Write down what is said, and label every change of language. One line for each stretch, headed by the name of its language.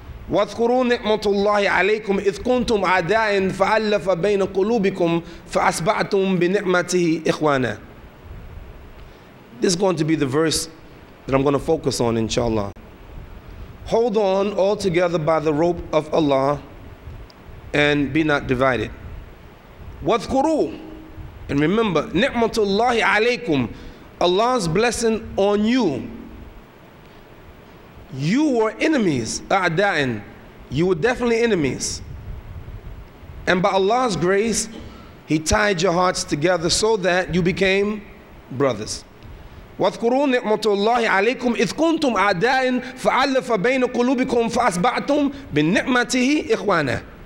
Arabic: واذكروا نعمة الله عليكم إذ كنتم أعداء فألف بين قلوبكم فأصبحتم بنعمته إخوانا.
English: This is going to be the verse that I'm going to focus on, inshallah. Hold on all together by the rope of Allah and be not divided.
Arabic: واذكروا,
English: and remember,
Arabic: نعمة الله عليكم,
English: Allah's blessing on you. You were enemies, a'da'in. You were definitely enemies. And by Allah's grace, He tied your hearts together so that you became brothers.
Arabic: واذكروا نعمة الله عليكم إذ كنتم أعداء فألف بين قلوبكم فأصبحتم بنعمته إخوانا.